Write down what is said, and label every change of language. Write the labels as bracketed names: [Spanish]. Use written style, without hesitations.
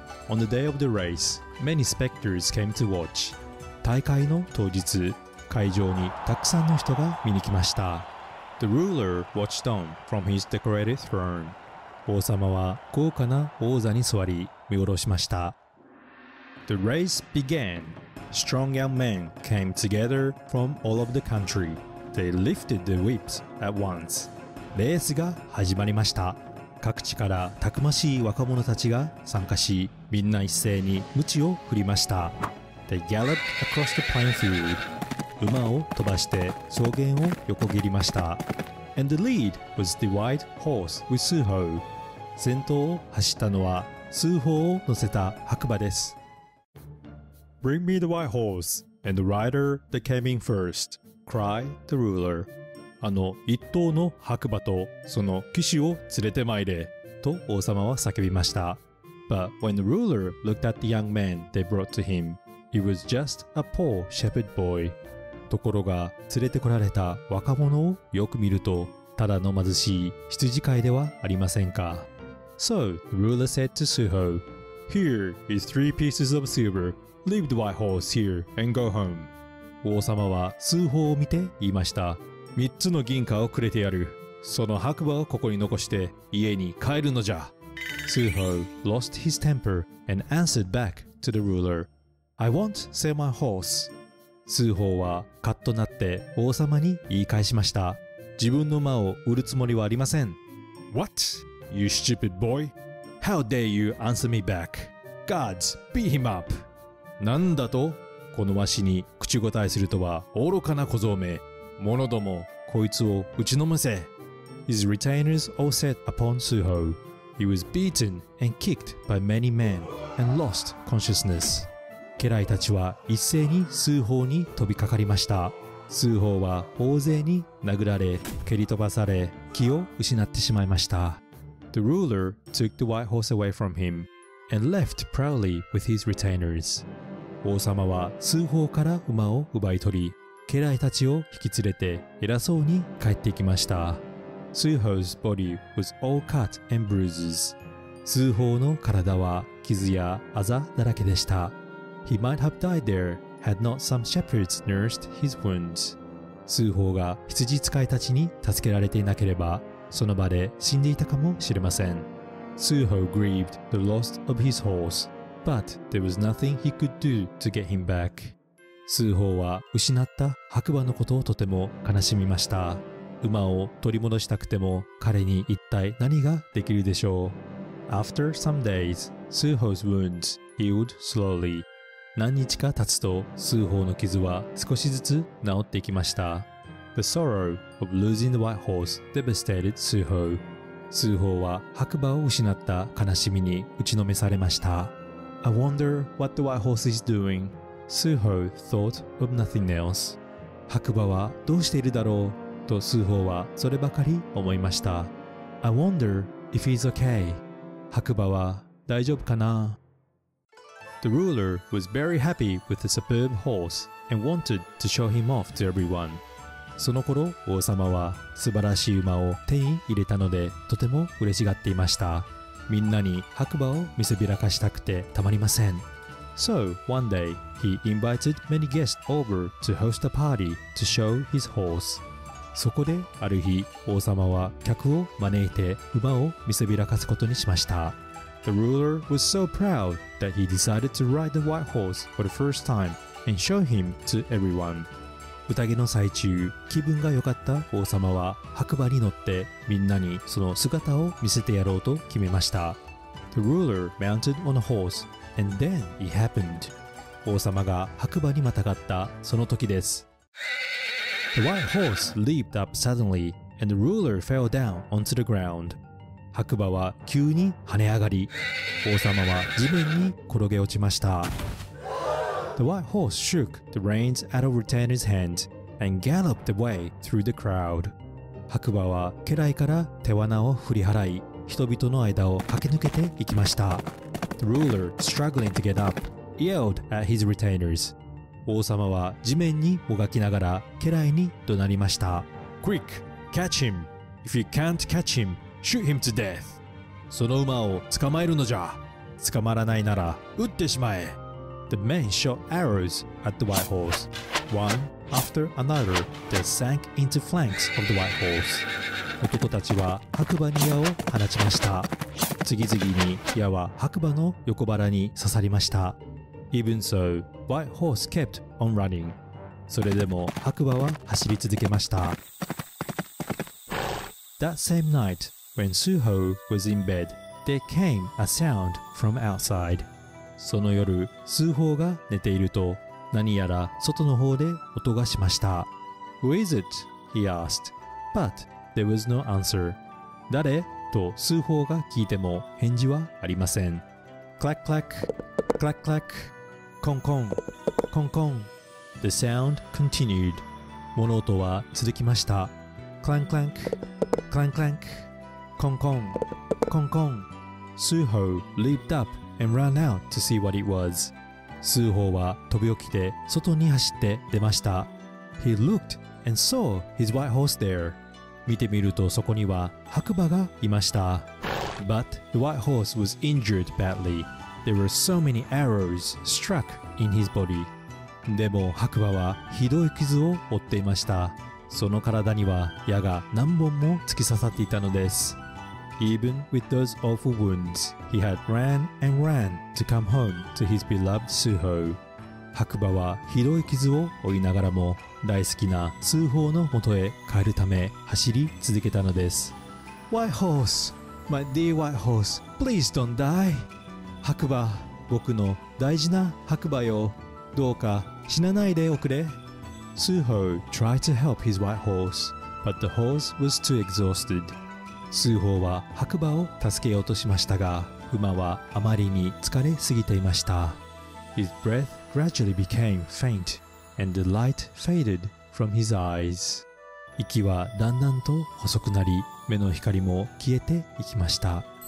[English] On the day of the race, many spectators came to watch. [Japanese] 大会の当日、会場にたくさんの人が見に来ました。 [English] The ruler watched on from his decorated throne. [Japanese] 王様は豪華な王座に座り、見下ろしました。 [English] The race began. Strong young men came together from all of the countryThey lifted the whips at once. [Japanese] レースが始まりました。各地からたくましい若者たちが参加し、みんな一斉に鞭を振りました。 [English] They galloped across the plain field. [Japanese] 馬を飛ばして草原を横切りました。 [English] And the lead was the white horse with Suho. [Japanese] 先頭を走ったのは、スーホーを乗せた白馬です。 [English] Bring me the white horse and the rider that came in first, cried the ruler. [Japanese] あの一頭の白馬とその騎士を連れてまいれ、と王様は叫びました。 [English] But when the ruler looked at the young man they brought to him, he was just a poor shepherd boy. [Japanese] ところが連れてこられた若者をよく見ると、ただの貧しい羊飼いではありませんか。 [English] So the ruler said to Suho, Here is three pieces of silver. Leave the white horse here and go home. [Japanese] 王様はスーホーを見て言いました。三つの銀貨をくれてやる。その白馬をここに残して家に帰るのじゃ。 [English] Suho lost his temper and answered back to the ruler, I won't sell my horse. [Japanese] Suho はカッとなって王様に言い返しました。自分の馬を売るつもりはありません。 [English] What? You stupid boy? How dare you answer me back? Gods, beat him up! [Japanese] なんだと、このわしに口答えするとは愚かな小僧め。者どもこいつを打ちのめせ。 [English] His retainers all set upon Suho. He was beaten and kicked by many men and lost consciousness. [Japanese] 家来たちは一斉にスーホーに飛びかかりました。スーホーは大勢に殴られ、蹴り飛ばされ、気を失ってしまいました。 [English] The ruler took the white horse away from him and left proudly with his retainers. [Japanese] 王様はスーホーから馬を奪い取り、家来たちを引き連れて偉そうに帰ってきました。 [English] Suho's body was all cut and bruises. [Japanese] スーホーの体は傷やあざだらけでした。 [English] He might have died there had not some shepherds nursed his wounds. [Japanese] スーホーが羊使いたちに助けられていなければ、その場で死んでいたかもしれません。 [English] Suho grieved the loss of his horse, but there was nothing he could do to get him back. [Japanese] スーホーは失った白馬のことをとても悲しみました。馬を取り戻したくても彼に一体何ができるでしょう。 [English] After some days, Suho's wounds healed slowly. [Japanese] 何日か経つと、スーホーの傷は少しずつ治っていきました。 [English] The sorrow of losing the white horse devastated Suho. [Japanese] スーホーは白馬を失った悲しみに打ちのめされました。 [English] I wonder what the white horse is doing. Suho thought of nothing else. [Japanese] 白馬はどうしているだろうとスーホーはそればかり思いました。 [English] I wonder if he's okay. [Japanese] 白馬は大丈夫かな。 [English] The ruler was very happy with the superb horse and wanted to show him off to everyone. [Japanese] その頃、王様は素晴らしい馬を手に入れたので、とても嬉しがっていました。みんなに白馬を見せびらかしたくてたまりません。 [English] So, one day, he invited many guests over to host a party to show his horse. [Japanese] そこで、ある日、王様は客を招いて馬を見せびらかすことにしました。 [English] The ruler was so proud that he decided to ride the white horse for the first time and show him to everyone. [Japanese] 宴の最中、気分が良かった王様は白馬に乗ってみんなにその姿を見せてやろうと決めました。 [English] The ruler mounted on a horse, and then it happened. [Japanese] 王様が白馬にまたがったその時です。 [English] The white horse leaped up suddenly, and the ruler fell down onto the ground. [Japanese] 白馬は急に跳ね上がり、王様は地面に転げ落ちました。 [English] The white horse shook the reins out of retainer's hand and galloped away through the crowd. [Japanese] 白馬は家来から手罠を振り払い、人々の間を駆け抜けていきました。 [English] The ruler, struggling to get up, yelled at his retainers. [Japanese] 王様は地面にもがきながら家来に怒鳴りました。 [English] Quick, catch him! If you can't catch him, shoot him to death! [Japanese] その馬を捕まえるのじゃ。捕まらないなら撃ってしまえ。 [English] The men shot arrows at the white horse. One after another, they sank into flanks of the white horse. [Japanese] 男たちは白馬に矢を放ちました。次々に矢は白馬の横腹に刺さりました。 [English] Even so, white horse kept on running. [Japanese] それでも白馬は走り続けました。 [English] That same night, when Suho was in bed, there came a sound from outside. [Japanese] その夜、スーホーが寝ていると、何やら外の方で音がしました。 [English] Who is it? He asked. But There was no answer. [Japanese] 誰? と数方が聞いても返事はありません。 [English] Clack clack, clack clack, kong kong, kong kong. The sound continued. [Japanese] 物音は続きました。 [English] Clank clank, clank clank, kong kong, kong kong. Suho leaped up and ran out to see what it was. [Japanese] Suho は飛び起きて外に走って出ました。 [English] He looked and saw his white horse there. [Japanese] 見てみるとそこには白馬がいました。 [English] But the white horse was injured badly. There were so many arrows struck in his body. [Japanese] でも白馬はひどい傷を負っていました。その体には矢が何本も突き刺さっていたのです。 [English] Even with those awful wounds, he had ran and ran to come home to his beloved Suho. [Japanese] 白馬はひどい傷を負いながらも大好きな数方のもとへ帰るため走り続けたのです。 [English] White horse, my dear white horse, please don't die. [Japanese] 白馬、僕の大事な白馬よ、どうか死なないでおくれ。 [English] Suho tried to help his white horse, but the horse was too exhausted. [Japanese] Suho は白馬を助けようとしましたが、馬はあまりに疲れすぎていました。 [English] His breath gradually became faint. And the light faded from his eyes. [Japanese] 息はだんだんと細くなり、目の光も消えていきました。